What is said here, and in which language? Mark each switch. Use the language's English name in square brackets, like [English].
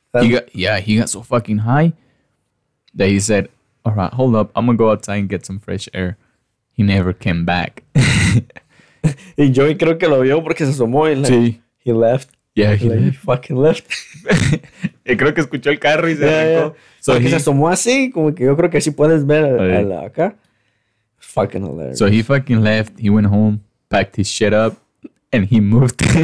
[English] He got so fucking high that he said, all right, hold up, I'm gonna go outside and get some fresh air. He never came back. [Spanish] Y yo creo que lo vio porque se asomó y like, [English] he left. Yeah, he fucking left. [Spanish] Y creo que escuchó el carro y se arrancó. So se asomó así, como que yo creo que así puedes ver el acá. [English] Fucking hilarious. So he fucking left. He went home, packed his shit up, and he moved.